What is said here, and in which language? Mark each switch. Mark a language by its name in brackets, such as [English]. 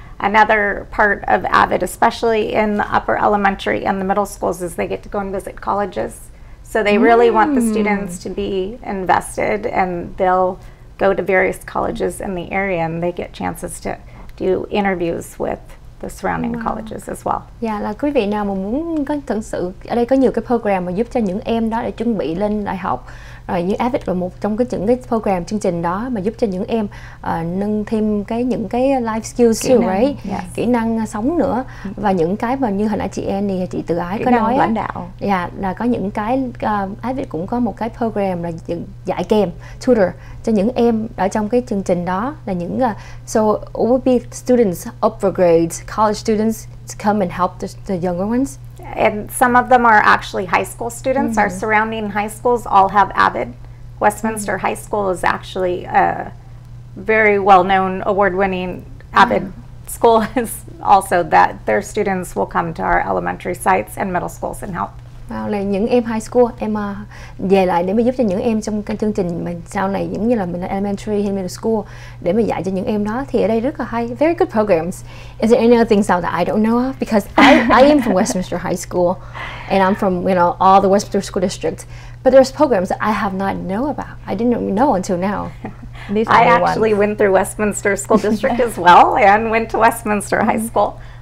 [English] Another part of AVID, especially in the upper elementary and the middle schools, is they get to go and visit colleges. So they really want the students to be invested, and they'll go to various colleges in the area, and they get chances to do interviews with the surrounding wow. colleges as well. [Vietnamese] Yeah, là quý vị nào mà muốn có thực sự ở đây có nhiều cái program mà giúp cho những em đó để chuẩn bị lên đại học. Rồi như AVID là một trong cái những cái program chương trình đó mà giúp cho những em nâng thêm cái những cái life skills kỹ năng, [English] right? Yes. [Vietnamese] Kỹ năng sống nữa và những cái mà như hồi nãy chị Annie thì chị Từ Ái kỹ có nói lãnh đạo. Dạ là có những cái AVID cũng có một cái program là dạy kèm tutor cho những em ở trong cái chương trình đó là những [English] so it would be students upper grades college students to come and help the younger ones. And some of them are actually high school students. Mm-hmm. Our surrounding high schools all have AVID. Westminster mm-hmm. High School is actually a very well-known, award-winning AVID mm-hmm. school. Is also that their students will come to our elementary sites and middle schools and help. [Vietnamese] Wow, là những em high school, em về lại để mà giúp cho những em trong cái chương trình mà sau này giống như là mình elementary hay middle school để mà dạy cho những em đó thì ở đây rất là hay. [English] Very good programs. Is there any other things that I don't know of? Because I am from Westminster High School and I'm from, you know, all the Westminster School District. But there's programs that I have not know about. I didn't know until now. I actually went through Westminster School District as well and went to Westminster mm-hmm. High School.